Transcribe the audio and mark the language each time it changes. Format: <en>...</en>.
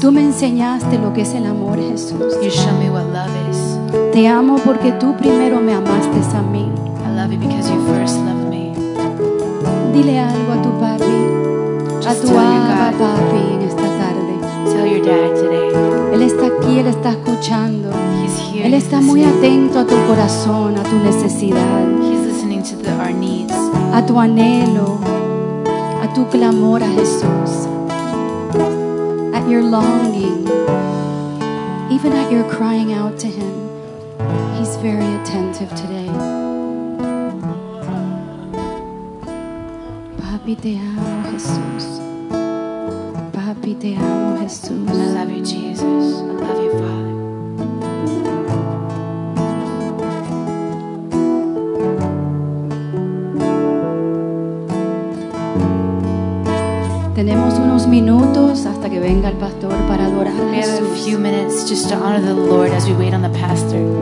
<es>Tú me enseñaste lo que es el amor, Jesús.</es> <en>You show me what love is.</en> <es>Te amo porque tú primero me amaste a mí.</es> <en>I love you because you first loved me.</en> <es>Dile algo a tu papi.</es> <en>Just</en> <es>a tu abba, papi, en esta tarde.</es> <en>Tell your dad today.</en> <es>Él está aquí, él está escuchando.</es> <en>He's here.</en> <es>Él está muy atento a tu corazón, a tu necesidad.</es> <en>He's listening to our needs.</en> <es>A tu anhelo, a tu clamor a Jesús.</es> <en>At your longing. Even at your crying out to him. He's very attentive today.</en> <es>Papi, te amo, Jesús. Papi, te amo, Jesús.</es> <en>And I love you, Jesus. I love you, Father.</en> <es>Tenemos unos minutos hasta que venga el pastor para adorar a Jesús.</es> <en>We have a few minutes just to honor the Lord as we wait on the pastor.</en>